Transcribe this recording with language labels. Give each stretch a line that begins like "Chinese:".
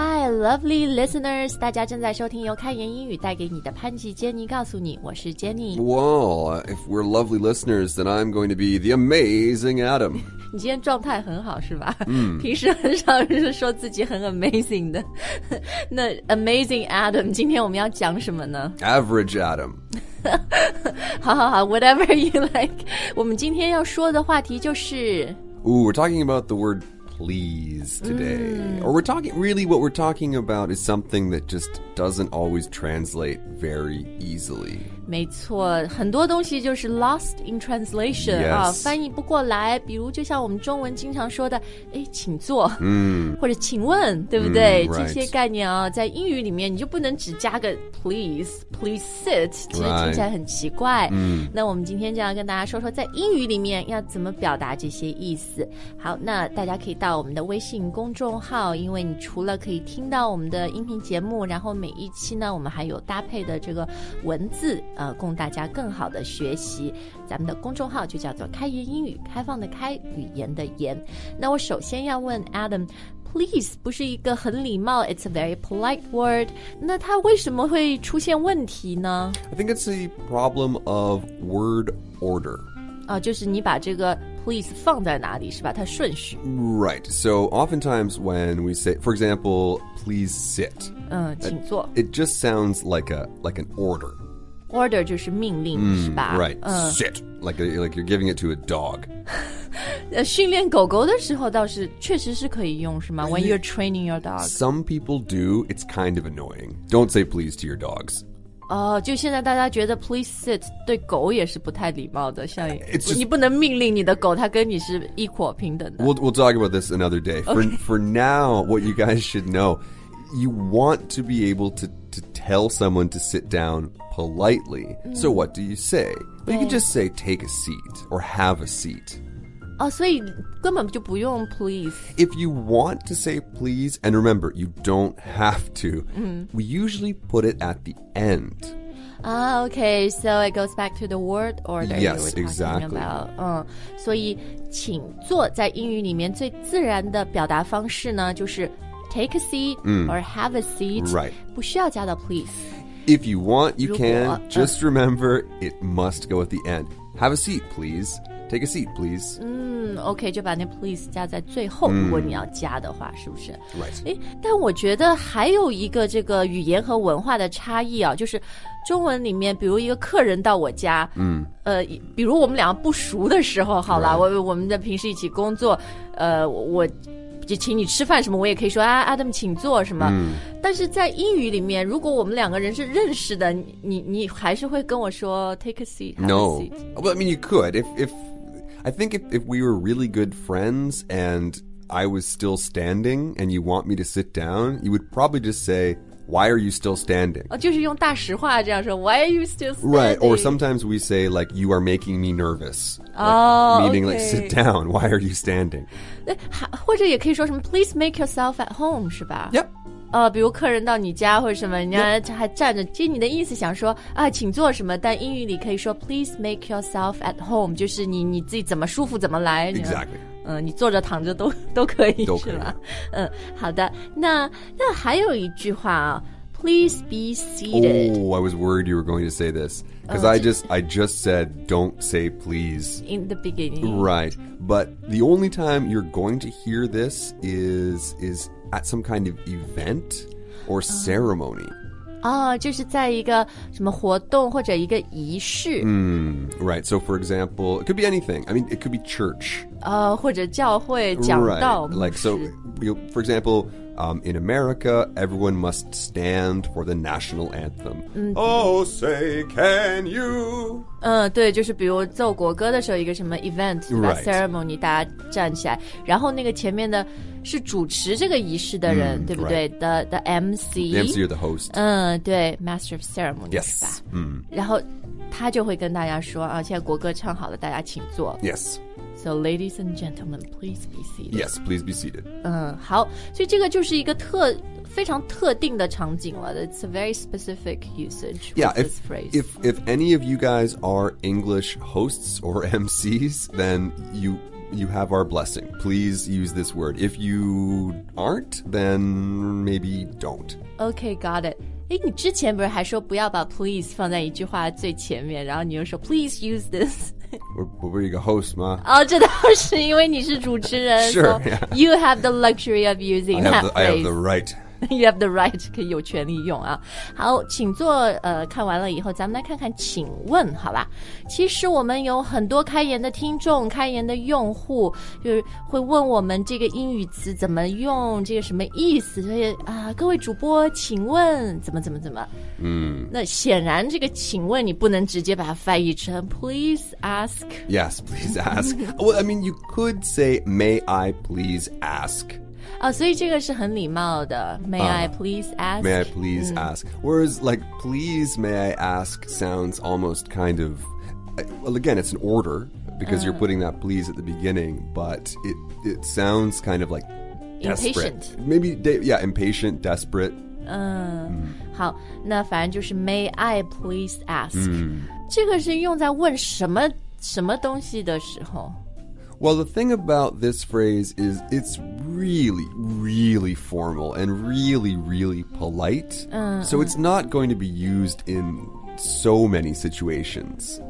English: Lovely listeners,
Chinese: 大家正在收听由开言英语带给你的潘吉杰尼告诉你，我是 Jenny.
English: Well, if we're lovely listeners, then I'm going to be the amazing Adam.
Chinese: 你今天状态很好是吧、 mm. 平时很少是说自己很 amazing 的。那 amazing Adam, 今天我们要讲什么呢
English: Average Adam.
Chinese: 好好好
English: whatever you like.
Chinese: 我们今天要说的话题就是
English: Ooh, we're talking about the wordPlease today.、Mm. Or we're talking, really what we're talking about is something that just doesn't always translate very easily.
Chinese: 没错很多东西就是
English: lost in translation. Yes.、
Chinese: 翻译不过来比如就像我们中文经常说的哎请坐、 mm. 或者请问对不对、
English: mm, right.
Chinese: 这些概念、在英语里面你就不能只加个 please,
English: please sit.
Chinese: 其实听起来很奇怪、
English: right. mm.
Chinese: 那我们今天就要跟大家说说在英语里面要怎么表达这些意思。好那大家可以到我们的微信公众号因为你除了可以听到我们的音频节目然后每一期呢我们还有搭配的这个文字、供大家更好的学习咱们的公众号就叫做开言英语开放的开语言的言那我首先要问 Adam Please 不是一个很礼貌
English: It's a very polite word
Chinese: 那它为什么会出现问题呢
English: I think it's a problem of word order、
Chinese: 就是你把这个Please 放在哪里是吧它顺序
English: Right, so oftentimes when we say, for example, please sit
Chinese: 请坐
English: It just sounds like, like an order
Chinese: Order 就是命令、是吧
English: Right,、sit, like you're giving it to a dog
Chinese: 训练狗狗的时候倒是确实是可以用是吗
English: When you're training your dog Some people do, it's kind of annoying Don't say please to your dogs
Chinese: 就现在大家觉得
English: please sit
Chinese: 对狗也是不太礼貌的像
English: just,
Chinese: 你不能命令你的狗它跟你是一伙平等的
English: we'll talk about this another day for,、okay. for now what you guys should know you want to be able to tell someone to sit down politely、so what do you say you can just say take a seat or have a seat
Chinese: 所以根本就不用 please
English: if you want to say please and remember you don't have to、we usually put it at the end okay so it goes back to the word order yes exactly、
Chinese: 所以请坐在英语里面最自然的表达方式呢就是
English: take a seat、 or have a seat、 right.
Chinese: 不需要加到 please
English: if you want you can just remember it must go at the end have a seat pleaseTake a seat, please.
Chinese: OK, 就把那 please 加在最后、如果你要加的话是不是
English: Right.
Chinese: 但我觉得还有一个这个语言和文化的差异啊就是中文里面比如一个客人到我家、比如我们两个不熟的时候好了、
English: right.
Chinese: 我们的平时一起工作我就请你吃饭什么我也可以说啊 Adam 请坐什么、但是在英语里面如果我们两个人是认识的你还是会跟我说
English: take a seat no a seat. I mean you could if I think if we were really good friends and I was still standing and you want me to sit down you would probably just say why are you still standing、
Chinese: 就是用大实话这样说
English: why are you still standing right or sometimes we say like you are making me nervous like, meaning、 okay. like sit down why are you standing
Chinese: 或者也可以说什么
English: please make yourself at home
Chinese: 是吧
English: yep
Chinese: 比如客人到你家或者什么人家还站着、其实你的意思想说啊请坐什么但英语里可以说
English: please make yourself at home
Chinese: 就是你自己怎么舒服怎么来
English: exactly
Chinese: 你坐着躺着都可以都可以是吧好的那还有一句话啊
English: please be seated oh I was worried you were going to say this because I just said don't say please in the beginning right but the only time you're going to hear this is at some kind of event or ceremony.
Chinese: 就是在一个什么活动或者一个仪式。
English: Right, so for example, it could be anything. I mean, it could be church.
Chinese: 或者教会讲道。
English: Right, like, so, you know, for example, in America, everyone must stand for the national anthem. Oh, say, can you?
Chinese: 对,就是比如奏国歌的时候一个什么 event, 对吧
English: right.
Chinese: ceremony, 大家站起来。然后那个前面的是主持这个仪式的人、对不对、
English: right. the MC the MC or the host 对 master of ceremony yes
Chinese: 是吧然后他就会跟大家说啊，现在国歌唱好了大家请坐
English: yes so ladies and gentlemen please be seated yes please be seated
Chinese: 好所以这个就是一个非常特定的场景了
English: it's a very specific usage yeah, with if, this phrase if any of you guys are English hosts or MCs then you you have our blessing. Please use this word. If you aren't, then maybe don't. Okay, got it.
Chinese: 诶，你之前不是还说不要把 please 放在一句话最前面，然后你又说
English: please use this。
Chinese: 我不是一个 host 吗？哦，这倒是因为你是主持人。
English: Sure, so you have the luxury of using that phrase. I have the right. You have the right,
Chinese: 可以有权利用啊。好，请坐，看完了以后，咱们来看看请问，好吧。其实我们有很多开言的听众，开言的用户，就是会问我们这个英语词怎么用，这个什么意思，所以啊，各位主播，请问怎么。那显然这个请问你不能直接把它翻译成
English: please ask. Yes, please ask. Well, I mean, you could say, may I please ask?
Chinese: Oh, 所以这个是很礼貌的
English: May I please ask? May I please ask? Whereas, like, please may I ask sounds almost kind of... Well, again, it's an order, because you're putting that please at the beginning, but it sounds kind of like desperate. Impatient. Maybe, yeah, impatient, desperate.
Chinese: 好，那反正就是
English: may I please ask.
Chinese: 这个是用在问什么东西的时候。
English: Well, the thing about this phrase is it's really, really formal and really, really polite. So it's not going to be used in so many situations.